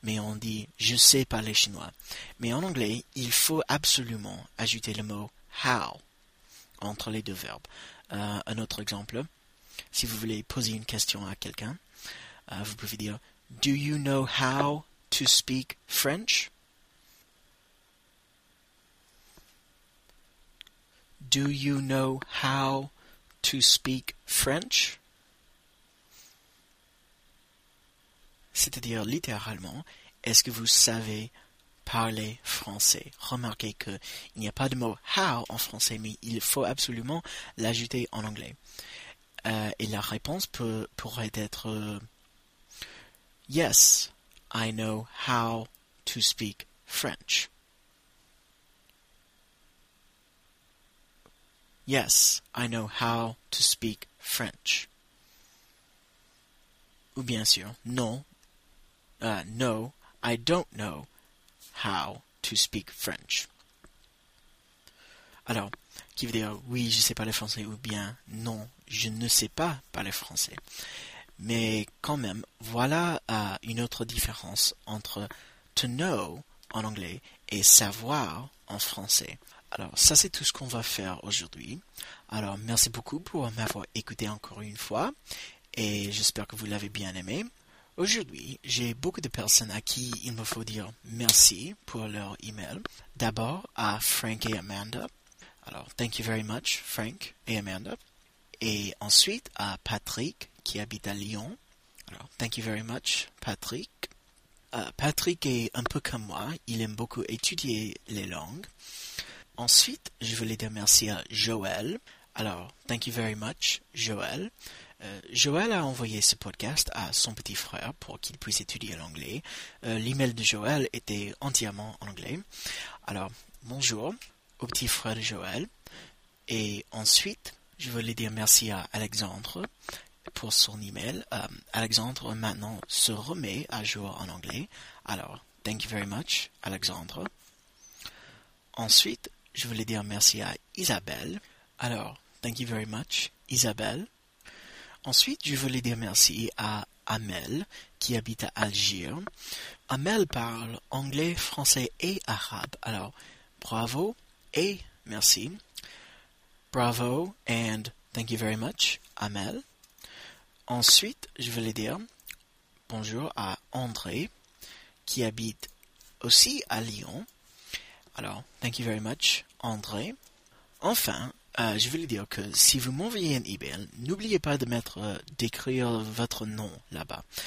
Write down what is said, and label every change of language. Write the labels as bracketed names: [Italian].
[French] mais on dit « je sais parler chinois ». Mais en anglais, il faut absolument ajouter le mot « how » entre les deux verbes. Un autre exemple, si vous voulez poser une question à quelqu'un, vous pouvez dire « [English] do you know how to speak French ?» Do you know how to speak French? [French] C'est-à-dire littéralement, est-ce que vous savez parler français? Remarquez qu'il n'y a pas de mot how en français, mais il faut absolument l'ajouter en anglais. Et la réponse pourrait être [English] yes, I know how to speak French. Yes, I know how to speak French. [French] Ou bien sûr, [English] no, I don't know how to speak French. [French] Alors, qui veut dire oui, je sais parler français ou bien non, je ne sais pas parler français. Mais quand même, voilà une autre différence entre to know en anglais et savoir en français. Alors, ça, c'est tout ce qu'on va faire aujourd'hui. Alors, merci beaucoup pour m'avoir écouté encore une fois et j'espère que vous l'avez bien aimé. Aujourd'hui, j'ai beaucoup de personnes à qui il me faut dire merci pour leur email. D'abord, à Frank et Amanda. Alors, [English] thank you very much, [French] Frank et Amanda. Et ensuite, à Patrick, qui habite à Lyon. Alors, [English] thank you very much, [French] Patrick. Patrick est un peu comme moi. Il aime beaucoup étudier les langues. Ensuite, je voulais dire merci à Joël. Alors, [English] thank you very much, [French] Joël. Joël a envoyé ce podcast à son petit frère pour qu'il puisse étudier l'anglais. L'email de Joël était entièrement en anglais. Alors, bonjour au petit frère de Joël. Et ensuite, je voulais dire merci à Alexandre pour son email. Alexandre maintenant se remet à jour en anglais. Alors, [English] thank you very much, [French] Alexandre. Ensuite, je voulais dire merci à Isabelle. Alors, [English] thank you very much, [French] Isabelle. Ensuite, je voulais dire merci à Amel, qui habite à Alger. Amel parle anglais, français et arabe. Alors, bravo et merci. [English] Bravo and thank you very much, Amel. [French] Ensuite, je voulais dire bonjour à André, qui habite aussi à Lyon. Alors, [English] thank you very much, [French] André. Enfin, je voulais dire que si vous m'envoyez un email, n'oubliez pas de mettre d'écrire votre nom là-bas.